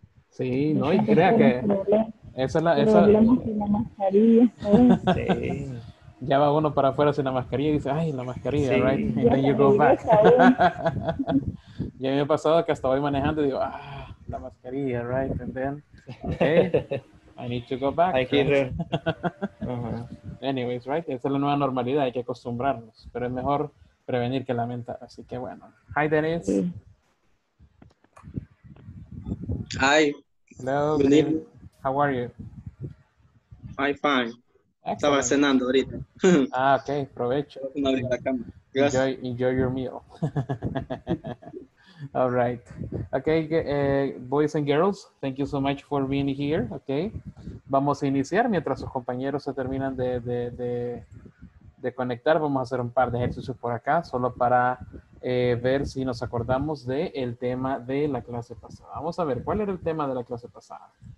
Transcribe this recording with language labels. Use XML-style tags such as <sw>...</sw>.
<es>Sí, no, y crea que. Problema. Esa es la. Esa... La mascarilla. Sí. Ya va uno para afuera sin la mascarilla y dice, ay, la mascarilla, sí.</es> <en>Right? And then you go back.</en> <es>Y a mí me ha pasado que hasta voy manejando y digo, ah, la mascarilla, right?</es> <en>And then, okay, I need to go back.</en> <es>Hay que ir.</es> <en>Anyways, right?</en> <es>Esa es la nueva normalidad, hay que acostumbrarnos. Pero es mejor prevenir que lamentar. Así que bueno. Hi, Dennis.</es> <en>Hi. Hello. Good evening. How are you? I'm fine.</en> <es>Estaba cenando ahorita. Ah, okay, aprovecho. No abrí la cama.</es> <en>Enjoy your meal. All right. Okay, boys and girls, thank you so much for being here. Okay.</en> <es>Vamos a iniciar mientras sus compañeros se terminan de conectar. Vamos a hacer un par de ejercicios por acá solo para ver si nos acordamos de el tema de la clase pasada. Vamos a ver, ¿cuál era el tema de la clase pasada?</es>